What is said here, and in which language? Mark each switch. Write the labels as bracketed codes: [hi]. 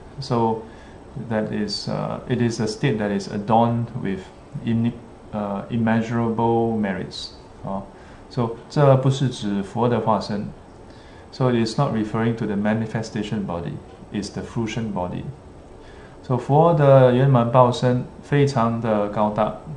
[en] So that is, it is a state that is adorned with immeasurable merits. [zh] So 这不是指佛的化身。 [en] So it is not referring to the manifestation body, it's the fruition body. [zh] So 佛的圆满报身非常的高大。